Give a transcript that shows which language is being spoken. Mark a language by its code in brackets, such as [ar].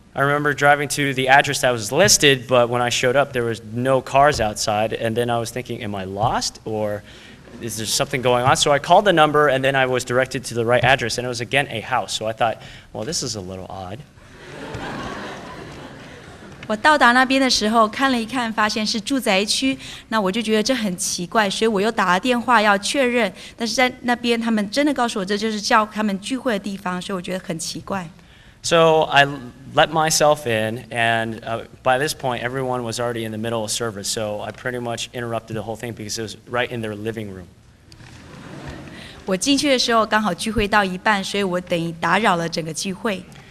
[en] I remember driving to the address that was listed, but when I showed up, there was no cars outside, and then I was thinking, am I lost, or is there something going on? So I called the number, and then I was directed to the right address, and it was again a house. So I thought, well, this is a little odd. [zh] 我到达那边的时候看了一看发现是住宅区那我就觉得这很奇怪所以我又打了电话要确认但是在那边他们真的告诉我这就是叫他们聚会的地方所以我觉得很奇怪 [en] So I let myself in and by this point everyone was already in the middle of service so I pretty much interrupted the whole thing because it was right in their living room [zh] 我进去的时候刚好聚会到一半所以我等于打扰了整个聚会